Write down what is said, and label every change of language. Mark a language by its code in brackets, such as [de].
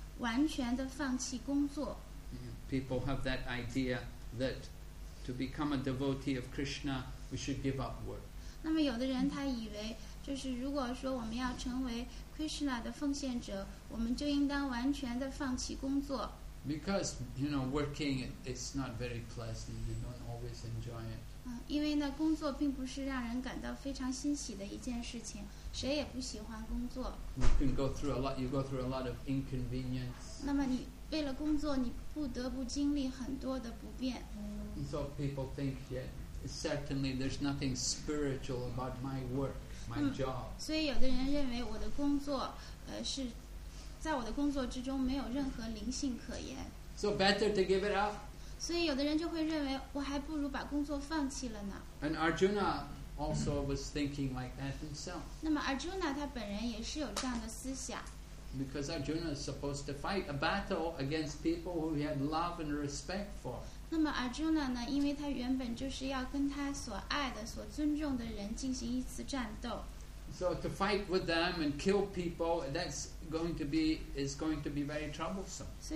[zh] 那么有的人他以为就是灵性的生活就在于要完全的放弃工作。 [en] People have that idea that to become a devotee of Krishna, we should give up work. [zh] 那么有的人他以为就是如果说我们要成为 Krishna 的奉献者, 我们就应当完全地放弃工作。 [en] Because, you know, working, it's not very pleasant. You don't always enjoy it. [zh] 因为那工作并不是让人感到非常欣喜的一件事情, 谁也不喜欢工作。 [en] You go through a lot of inconvenience. [zh] 那么你为了工作, 你不得不经历很多的不便。 [en] And so people think, yeah, certainly there's nothing spiritual about my work. My job. So better to give it up. [zh] 所以有的人就会认为我还不如把工作放弃了呢。 [en] And Arjuna also was thinking like that himself. [zh] 那么Arjuna他本人也是有这样的思想。 [en] Because Arjuna is supposed to fight a battle against people who he had love and respect for. [zh] 那么Arjuna呢, 因为他原本就是要跟他所爱的、所尊重的人进行一次战斗。 [en] So to fight with them and kill people, that's going to be very troublesome.